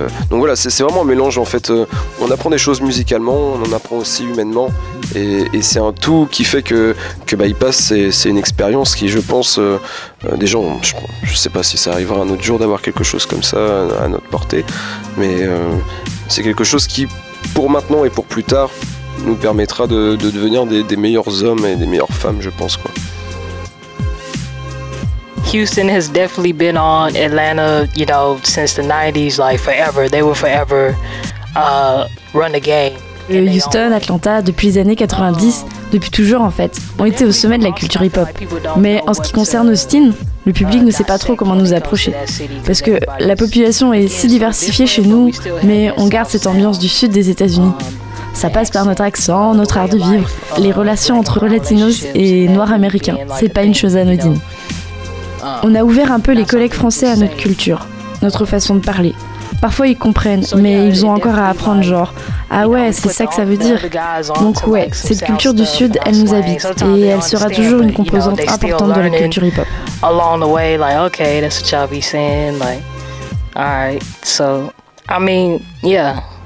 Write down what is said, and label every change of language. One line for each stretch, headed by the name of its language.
French: Donc voilà, c'est vraiment un mélange, en fait. On apprend des choses musicalement, on en apprend aussi humainement, et c'est un tout qui fait que Bypass, c'est une expérience qui, je pense, des gens, je sais pas si ça arrivera un autre jour d'avoir quelque chose comme ça à notre portée, mais c'est quelque chose qui, pour maintenant et pour plus tard, nous permettra de devenir des meilleurs hommes et des meilleures femmes, je pense, quoi.
English: Houston has definitely been on Atlanta, you know, since the 90s, like forever. They will forever run the game.
French: Houston, Atlanta, depuis les années 90, depuis toujours en fait, ont été au sommet de la culture hip-hop. Mais en ce qui concerne Austin, le public ne sait pas trop comment nous approcher. Parce que la population est si diversifiée chez nous, mais on garde cette ambiance du sud des États-Unis. Ça passe par notre accent, notre art de vivre, les relations entre Latinos et Noirs américains. C'est pas une chose anodine. On a ouvert un peu les collègues français à notre culture, notre façon de parler. Parfois ils comprennent, mais ils ont encore à apprendre, genre « Ah ouais, c'est ça que ça veut dire ». Donc ouais, cette culture du Sud, elle nous habite, et elle sera toujours une composante importante de la culture hip-hop.
English: Along the way, like, okay, that's what y'all be saying, like, alright, so, I mean, yeah.